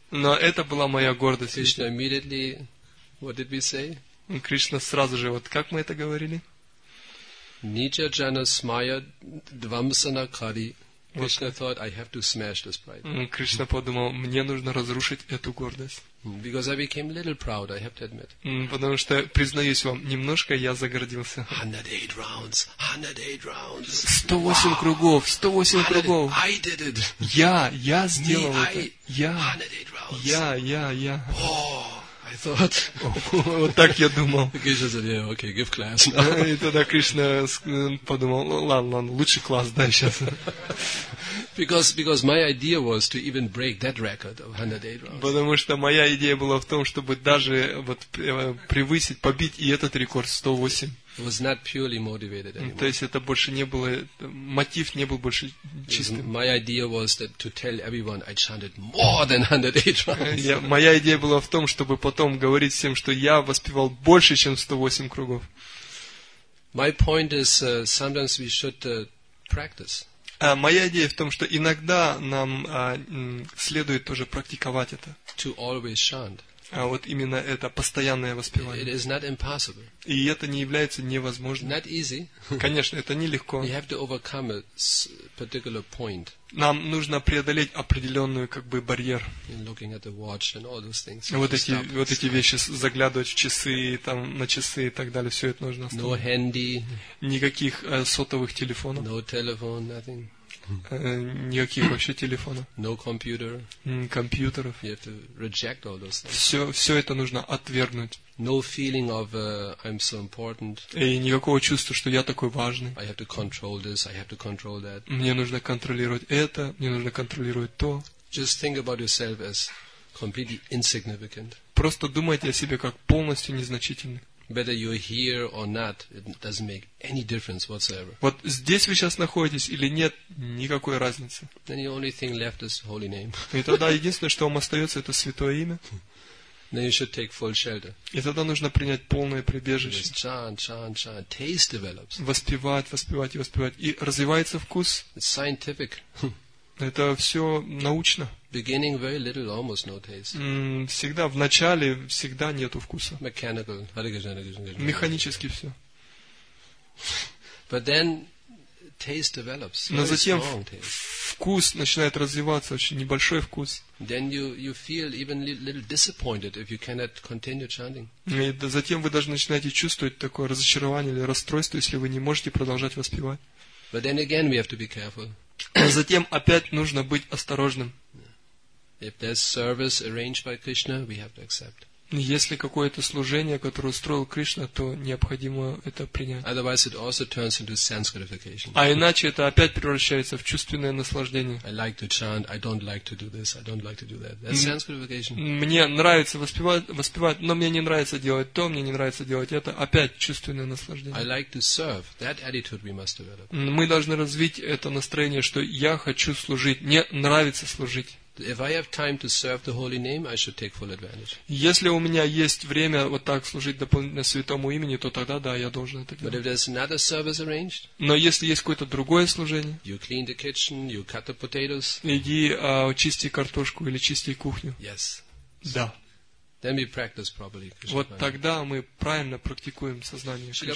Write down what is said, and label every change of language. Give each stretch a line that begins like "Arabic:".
Russian: Но это была моя гордость.
English: Krishna immediately. What did we say?
Russian: Кришна сразу же, вот как мы это говорили?
Sanskrit: Nija jana smaya dvamsana kari.
English: Krishna thought, I have to smash this pride.
Russian: Кришна подумал, мне нужно разрушить эту гордость.
English: Because I became a little proud, I have to admit.
Russian: Потому что, признаюсь вам, немножко я загордился.
English: 108 rounds, 108 rounds.
Russian: 108 wow. кругов, 108
English: 100,
Russian: кругов.
English: I did it.
Russian: Я сделал
English: Me,
Russian: это.
English: I,
Russian: я.
English: 108 rounds.
Russian: Я.
English: Oh. I thought.
Russian: Вот так я думал.
English: Кришна said, yeah, okay, give class.
Russian: И тогда Кришна подумал, ладно, лучше класс дай сейчас.
English: Because my idea was to even break that record of 108 rounds.
Russian: Потому что моя идея была в том, чтобы даже вот превысить, побить и этот рекорд 108.
English: It was not purely motivated anymore.
Russian: То есть это больше не было, мотив не был больше чистым.
English: My idea was that to tell everyone I chanted more than 108 rounds.
Russian: Моя идея была в том, чтобы потом говорить всем, что я воспевал больше, чем 108 кругов.
English: My point is sometimes we should practice.
Russian: Моя идея в том, что иногда нам следует тоже практиковать это.
English: To always chant.
Russian: А вот именно это постоянное воспевание.
English: It is not impossible.
Russian: И это не является невозможным.
English: Not easy.
Russian: Конечно, это нелегко.
English: You have to overcome a particular point.
Russian: Нам нужно преодолеть определенную как бы барьер.
English: In looking at the watch and all those things.
Russian: Вот эти вещи, заглядывать в часы, там, на часы и так далее, все это нужно оставить.
English: No handy.
Russian: Никаких сотовых телефонов.
English: No telephone, nothing.
Russian: Никаких вообще телефонов.
English: No computer.
Russian: Компьютеров.
English: You have to reject all those things.
Russian: Все это нужно отвергнуть.
English: No feeling of I'm so important.
Russian: И никакого чувства, что я такой важный.
English: I have to control this, I have to control that.
Russian: Мне нужно контролировать это, мне нужно контролировать то.
English: Just think about yourself as completely insignificant.
Russian: Просто думайте о себе как полностью незначительный.
English: Whether you're here or not, it doesn't make any difference whatsoever.
Russian: Вот здесь вы сейчас находитесь или нет, никакой разницы.
English: Then the only thing left is holy name.
Russian: И тогда единственное, что вам остается, это святое имя.
English: Then you should take full shelter.
Russian: И тогда нужно принять полное прибежище.
English: Just chant. Taste develops.
Russian: Воспевать. И развивается вкус.
English: It's scientific.
Russian: Это все научно.
English: Beginning very little, almost no taste.
Russian: Всегда в начале всегда нету вкуса.
English: Mechanical.
Russian: Механически все.
English: But then taste develops.
Russian: Но затем
English: strong taste.
Russian: вкус начинает развиваться, очень небольшой вкус.
English: Then you feel even little disappointed if you cannot continue chanting.
Russian: И затем вы даже начинаете чувствовать такое разочарование или расстройство, если вы не можете продолжать воспевать.
English: But then again we have to be careful.
Russian: Затем опять нужно быть осторожным.
English: If there's service arranged by Krishna, we have to accept.
Russian: Если какое-то служение, которое устроил Кришна, то необходимо это принять.
English: Otherwise it also turns into sense gratification.
Russian: А иначе это опять превращается в чувственное наслаждение.
English: I like to chant, I don't like to do this, I don't like to do that. That's sense gratification.
Russian: Мне нравится воспевать, но мне не нравится делать то, мне не нравится делать это. Опять чувственное наслаждение.
English: I like to serve. That attitude we must develop.
Russian: Мы должны развить это настроение, что я хочу служить, мне нравится служить.
English: If I have time to serve the holy name, I should take full advantage.
Russian: Если у меня есть время вот так служить дополнительно святому имени, то тогда да, я должен это делать.
English: But if there's another service arranged,
Russian: но если есть какое-то другое служение,
English: you clean the kitchen, you cut the potatoes,
Russian: иди чисти картошку или чисти кухню.
English: Yes.
Russian: Да.
English: Then we practice properly.
Russian: Вот тогда мы правильно практикуем сознание Кришны.